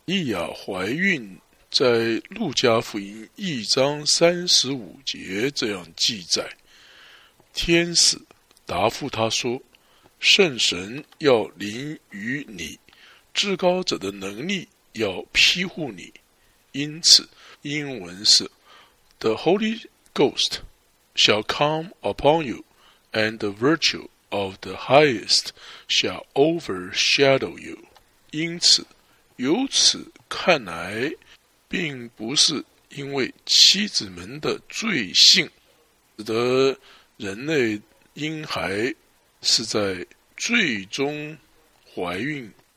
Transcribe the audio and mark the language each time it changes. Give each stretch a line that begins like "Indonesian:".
Chinese: 利亚怀孕在路加福音1:35这样记载，天使答复他说：圣神要临于你，至高者的能力要庇护你。因此英文是
English: The Holy Ghost shall come upon you, and the virtue of the highest shall overshadow you.
Chinese: 因此由此看来，并不是因为妻子们的罪性使得人类婴孩是在最终怀孕。